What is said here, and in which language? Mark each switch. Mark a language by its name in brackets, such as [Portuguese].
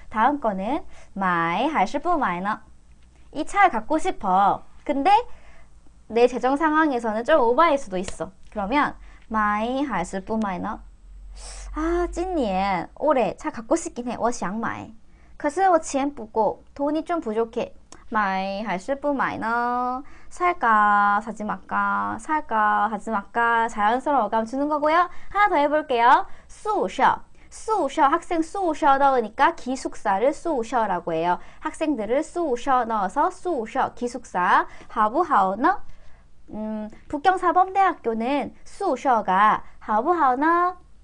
[Korean] 다음 거는 [Chinese] 买还是不买呢? [Korean] 이 차를 갖고 싶어. 근데 내 재정 상황에서는 좀 오바일 수도 있어. 그러면 [Chinese] 买还是不买呢? [Korean] 아, 찐니엔. 올해 차 갖고 싶긴 해. [Chinese] 我想买.可是我钱不够. [Korean] 돈이 좀 부족해. [Chinese] 买还是不买呢? [Korean] 살까? 사지 말까? 살까? 사지 말까? 자연스러운 어감 주는 거고요. 하나 더 해볼게요. 宿舍.宿舍. 학생 宿舍 넣으니까 기숙사를 宿舍라고 해요. 학생들을 宿舍 넣어서 宿舍. 기숙사. [Chinese] 好不好呢? [Korean] 북경사범대학교는 宿舍가 [Chinese] 好不好呢?